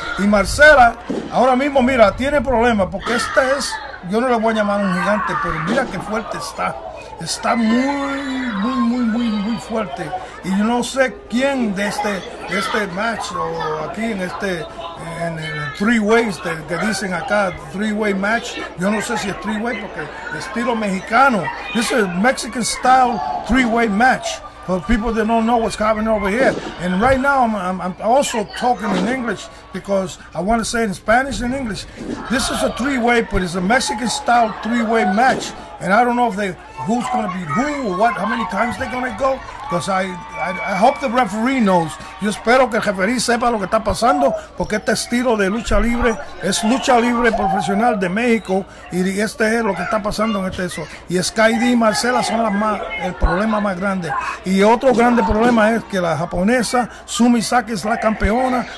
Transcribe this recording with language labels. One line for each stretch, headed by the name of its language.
Spanish: Y Marcela, ahora mismo, mira, tiene problemas porque esta es, yo no la voy a llamar un gigante, pero mira qué fuerte está. Está muy fuerte. Y yo no sé quién de este match o aquí en este, en el three ways que dicen acá, three way match. Yo no sé si es three way porque estilo mexicano.
English: This is Mexican style three way match for people that don't know what's happening over here. And right now I'm also talking in English because I want to say in Spanish and English. This is a three way, but it's a Mexican style three way match. And I don't know if they, who's going to be who or what, how many times they're going to go. Because I hope the referee knows.
Spanish: Yo espero que el referee sepa lo que está pasando. Porque este estilo de lucha libre es lucha libre profesional de México. Y este es lo que está pasando en este eso. Y Sky D y Marcela son las más, el problema más grande. Y otro grande problema es que la japonesa Sumisaki es la campeona.